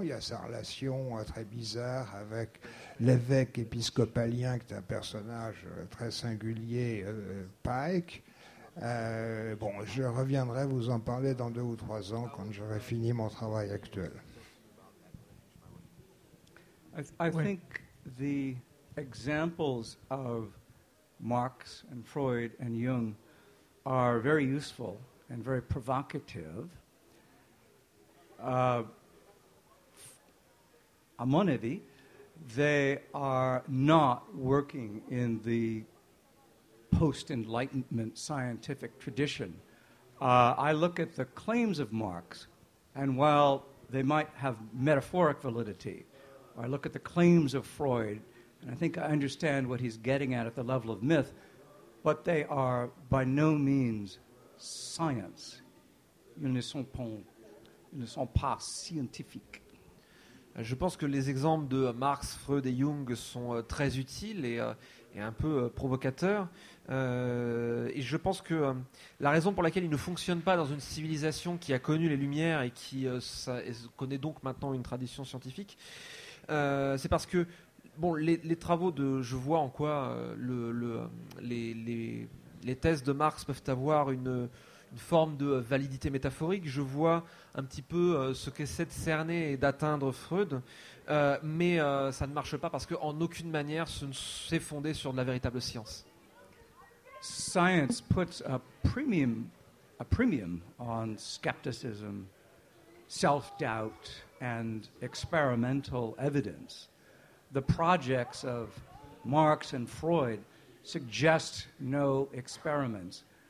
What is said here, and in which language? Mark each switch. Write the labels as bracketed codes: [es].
[fr] Il y a sa relation très bizarre avec l'évêque épiscopalien, qui est un personnage très singulier, Pike. Bon, je reviendrai vous en parler dans 2 ou 3 ans quand j'aurai fini mon travail actuel. [en] I think the examples of Marx and Freud and Jung are very useful and very provocative. [fr] À mon avis, [en] they are not working in the post-Enlightenment scientific tradition. I look at the claims of Marx, and while they might have metaphoric validity, I look at the claims of Freud, and I think I understand what he's getting at the level of myth, but they are by no means science. [fr] Ils ne sont pas scientifiques. Je pense que les exemples de Marx, Freud et Jung sont très utiles et un peu provocateurs. Et je pense que la raison pour laquelle ils ne fonctionnent pas dans une civilisation qui a connu les Lumières et qui connaît donc maintenant une tradition scientifique, c'est parce que bon, les travaux de... Je vois en quoi les thèses de Marx peuvent avoir une forme de validité métaphorique. Je vois un petit peu ce qu'essaie de cerner et d'atteindre Freud, mais ça ne marche pas parce qu'en aucune manière ce ne s'est fondé sur de la véritable science. [en] Science puts a premium on skepticism, self-doubt and experimental evidence. The projects of Marx and Freud suggest no experiments.